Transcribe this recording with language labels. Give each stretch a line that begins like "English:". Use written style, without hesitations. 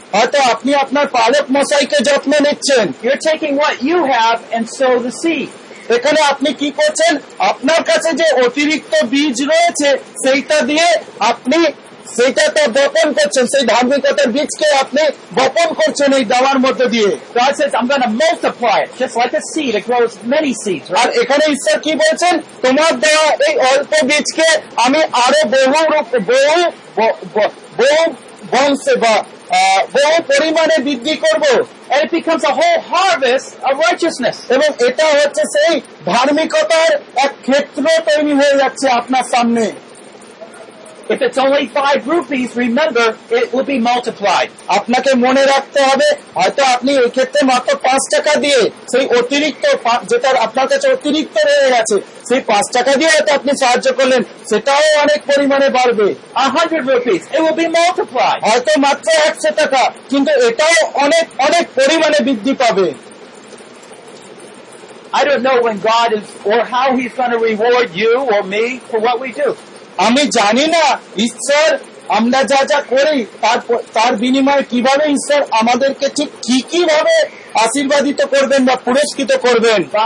Bangla: হয়তো আপনি আপনার পালক মশাইকে যত্ন নিচ্ছেন,
English: you are taking what you have and sow the seed,
Bangla: এখানে আপনি কি করছেন, আপনার কাছে যে অতিরিক্ত বীজ রয়েছে সেইটা দিয়ে আপনি সেটা তো বপন করছেন, সেই ধার্মিকতার বীজকে আপনি বপন করছেন এই দেওয়ার মধ্যে দিয়ে।
English: God says, I'm going to multiply it, just like a seed, it grows many seeds.
Bangla: আর এখানে ঈশ্বর কি বলছেন, তোমার দেওয়া এই অল্প বীজকে আমি আরো বহু রূপ বহু বহু বংশে বা বহু পরিমাণে বৃদ্ধি করবো।
English: And it becomes a whole harvest of righteousness.
Bangla: এবং এটা হচ্ছে সেই ধার্মিকতার এক ক্ষেত্র তৈরি হয়ে যাচ্ছে আপনার সামনে।
English: If it's only 5 rupees, remember, it will be multiplied.
Bangla: আপনাকে মনে রাখতে হবে, হয়তো আপনি এই ক্ষেত্রে মাত্র 5 টাকা দিয়ে সেই অতিরিক্ত যেটা আপনার কাছে অতিরিক্ত রয়ে গেছে সেই 5 টাকা দিয়ে হয়তো আপনি সাহায্য করলেন, সেটাও অনেক পরিমাণে বাড়বে।
English: 100 rupees, it will be multiplied.
Bangla: হয়তো মাত্র 100 টাকা, কিন্তু এটাও অনেক অনেক পরিমাণে বৃদ্ধি পাবে।
English: I don't know when God is or how he's going to reward you or me for what we do.
Bangla: আমি জানি না ঈশ্বর আমরা যা যা করি তার বিনিময়ে কিভাবে ঈশ্বর আমাদেরকে ঠিক কি কি ভাবে আশীর্বাদিত করবেন বা পুরস্কৃত করবেন।